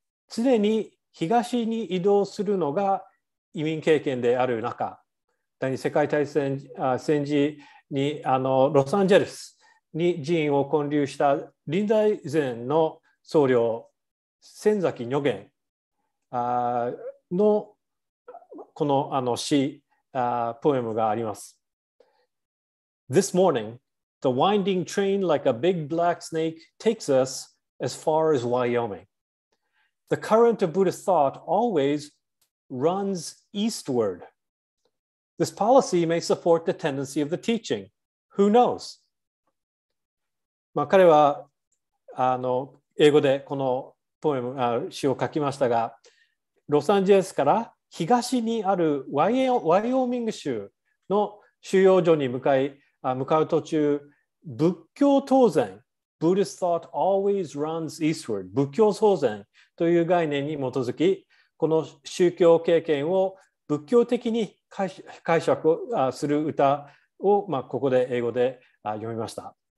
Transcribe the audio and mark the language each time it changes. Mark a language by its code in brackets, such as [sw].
[ja] 常に東に移動するのが移民経験である中、第二次世界大戦戦時にロサンゼルスに寺院を建立した臨済前の僧侶仙崎如元のこの詩ポエムがあります。 [en] This morning the winding train like a big black snake takes us as far as Wyoming. The current of Buddhist thought always runs eastward. This policy may support the tendency of the teaching. Who knows? [ja] まあ、彼は英語でこのポエム詩を書きましたが、ロサンゼルスから東にあるワイオーミング州の収容所に向かう途中、仏教当然 [en] Buddhist thought always runs eastward [ja] 仏教当然という概念に基づき、この宗教経験を仏教的に解釈する歌を、まあ、ここで英語で読みました。